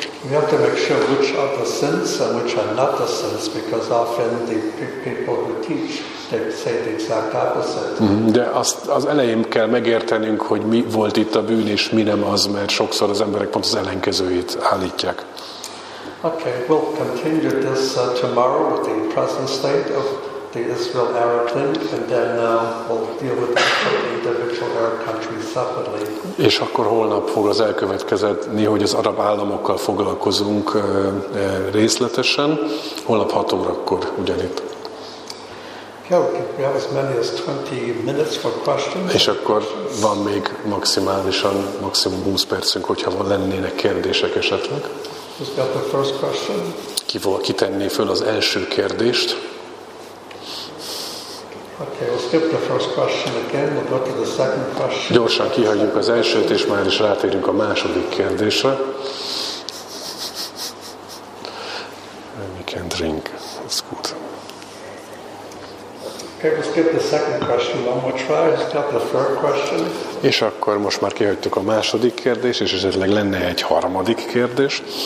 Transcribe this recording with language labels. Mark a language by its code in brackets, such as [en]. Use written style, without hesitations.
[en] We have to make sure which are the sins and which are not the sins, because often the people who teach, they say the exact opposite. [hu] De azt az elején kell megértenünk, hogy mi volt itt a bűn és mi nem az, mert sokszor az emberek pont az ellenkezőjét állítják. [en] Okay, we'll continue this tomorrow with the present state of the Israel-Arab thing, and then we'll deal with the individual Arab countries separately. [hu] És akkor holnap fog az elkövetkezetni, hogy az arab államokkal foglalkozunk részletesen. Holnap 6 órakor ugyanitt. [en] Yeah, we have as many as 20 minutes for questions. [hu] És akkor van még maximum 20 percünk, hogyha van lennének kérdések esetleg. [en] Who's got the first question? [hu] Ki tenné föl az első kérdést? [en] Okay, we'll skip the first question again. We'll go to the second question. [hu] Gyorsan kihagyjuk az elsőt, és már is rátérünk a második kérdésre. [en] can drink. That's good. Okay, let's get the second question one more try. Let's get the third question. [hu] És akkor most már kihagytuk a második kérdést, és esetleg lenne egy harmadik kérdés.